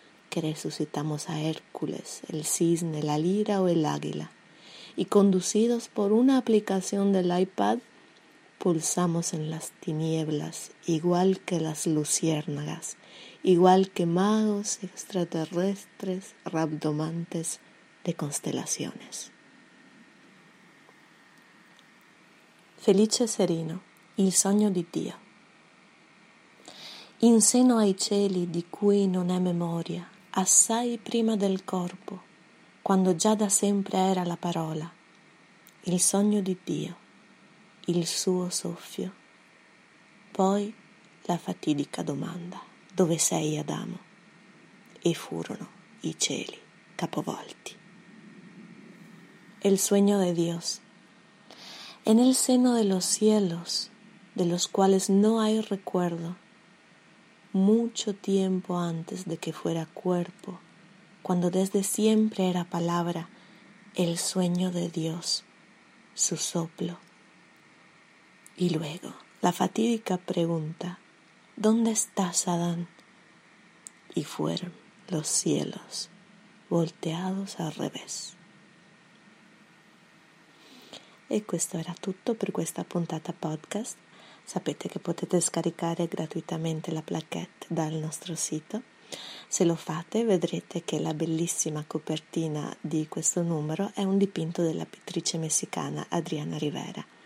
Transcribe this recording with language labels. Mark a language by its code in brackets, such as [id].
[es] que resucitamos a Hércules, el cisne, la lira o el águila, y conducidos por una aplicación del iPad, pulsamos en las tinieblas, igual que las luciérnagas, igual que magos extraterrestres rabdomantes de constelaciones. [it] Felice Serino, Il sogno di Dio. In seno ai cieli di cui non è memoria, assai prima del corpo, quando già da sempre era la parola, il sogno di Dio, il suo soffio. Poi la fatidica domanda, dove sei Adamo? E furono i cieli capovolti. [es] El sueño de Dios. En el seno de los cielos, de los cuales no hay recuerdo, mucho tiempo antes de que fuera cuerpo, cuando desde siempre era palabra, el sueño de Dios, su soplo. Y luego, la fatídica pregunta, ¿dónde estás, Adán? Y fueron los cielos, volteados al revés. [it] E questo era tutto per questa puntata podcast. Sapete che potete scaricare gratuitamente la plaquette dal nostro sito. Se lo fate, vedrete che la bellissima copertina di questo numero è un dipinto della pittrice messicana Adriana Rivera.